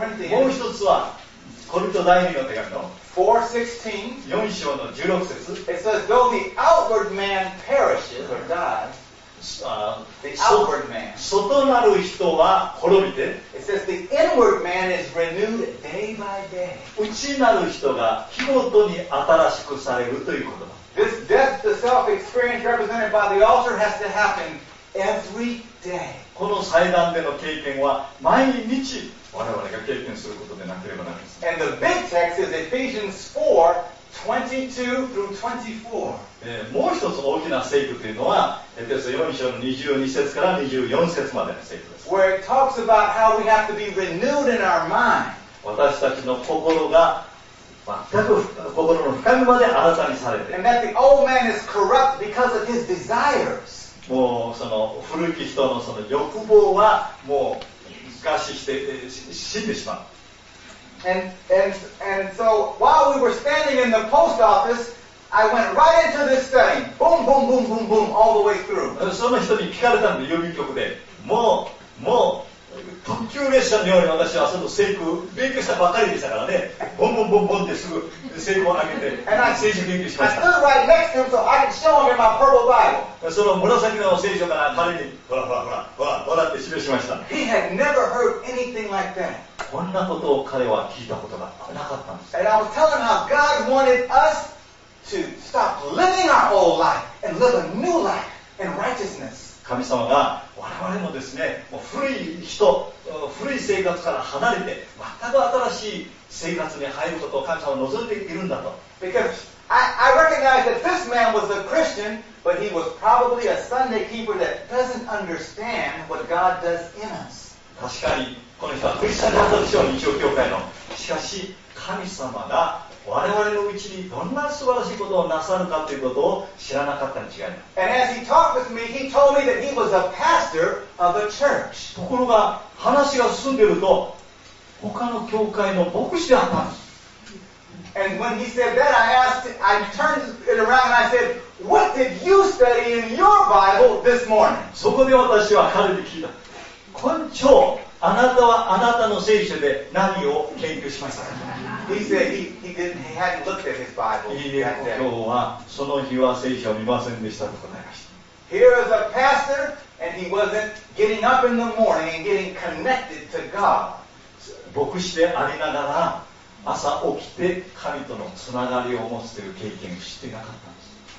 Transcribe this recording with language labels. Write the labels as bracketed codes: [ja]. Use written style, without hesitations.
[ja] もう一つはコリント第2の手紙の 4 章の16節。 [en] It says, though the outward man perishes or dies, the outward man. [ja] 外なる人は滅びて。 [en] It says, the inward man is renewed day by day. [ja] 内なる人が日ごとに新しくされるということだ。 [en] This death to self experience represented by the altar has to happen every day. [ja] この祭壇での経験は毎日我々が経験することでなければならないです。 [en] And the big text is Ephesians 4:22-24. [ja] もう一つ大きな聖句というのは、エペソ4章の22節から24節までの聖句です。 [en] Where it talks about how we have to be renewed in our mind. [ja] 私たちの心が全く心の深みまで新たにされて。 [en] And that the old man is corrupt because of his desires. [ja] もうその古き人 の, その欲望はもう餓死して死んでしまう。 [en] And so while we were standing in the post office, I went right into this study. Boom, boom, boom, boom, boom, all the way through. [ja] その人に聞かれたんで、郵便局で。もう特急列車のように私はその制服勉強したばかりでしたからね。ボンボンボンボンってすぐ制服を上げて聖書勉強しました。 [en] I stood right next to him so I could show him my purple Bible. [ja] その紫の聖書から彼にほらほらほらほらほらって示しました。 [en] He had never heard anything like that. [ja] こんなことを彼は聞いたことがなかったんです。 [en] And I was telling how God wanted us to stop living our old life and live a new life in righteousness. [ja] 神様が我々のですね、もう古い人、古い生活から離れて、全く新しい生活に入ることを神様は望んでいるんだと。 [en] Because I recognize that this man was a Christian, but he was probably a Sunday keeper that doesn't understand what God does in us. [ja] 確かに、この人はクリスチャンだったでしょう、日曜教会の。しかし、神様が我々のうちにどんな素晴らしいことをなさるかということを知らなかったに違いない。 [en] And as he talked with me, he told me that he was a pastor of a church. [ja] ところが話が進んでいると、他の教会の牧師であったんです。 [en] And when he said that, I turned it around and I said, What did you study in your Bible this morning? [ja] そこで私は彼に聞いた。今朝、あなたはあなたの聖書で何を研究しましたか？ [en] He said he didn't, he hadn't looked at his Bible. [ja] 今日はその日は聖書を見ませんでしたと答えました。 [en] Here is a pastor and he wasn't getting up in the morning and getting connected to God. [ja] 牧師でありながら朝起きて神とのつながりを持つという経験を知っていなかったんです。